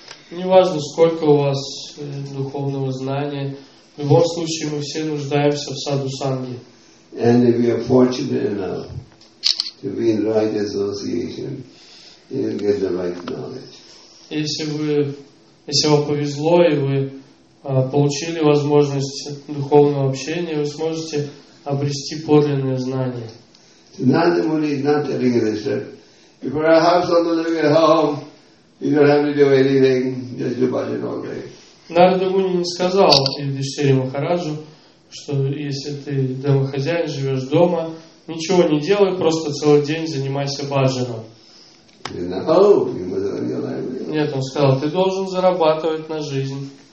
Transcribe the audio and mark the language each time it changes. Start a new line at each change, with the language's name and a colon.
Russian: Неважно, сколько у вас духовного знания, в любом случае мы все нуждаемся в саду санги.
English: And if we are fortunate enough to be in right association, you'll get the right knowledge.
Russian: Если вам повезло, и вы получили возможность духовного общения, вы сможете обрести подлинное знание.
English: Nandamuni is not telling you this, that if you have someone living at home, you don't have to do anything, just do bhajan all day.
Russian: Nandamuni не сказал Юдхиштхире Махараджу, что если ты домохозяин, живешь дома, ничего не делай, просто целый день занимайся бхаджаном. Нет, он сказал, ты должен зарабатывать на жизнь.